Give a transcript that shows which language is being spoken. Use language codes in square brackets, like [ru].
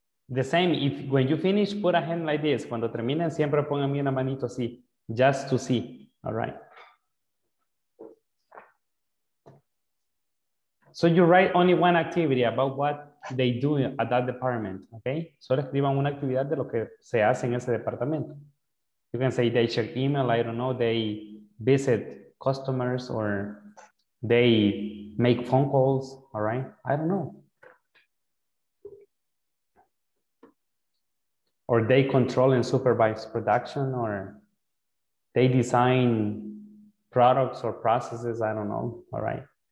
[en] The same, if when you finish, put a hand like this. [es] Cuando terminen, siempre pónganme una manito así, [en] just to see. All right. So you write only one activity about what they do at that department. Okay. [es] Solo escriban una actividad de lo que se hace en ese departamento. [en] You can say they check email, I don't know, they visit customers or they make phone calls. All right. I don't know. Or they control and supervise production, or they design products or processes, I don't know, all right.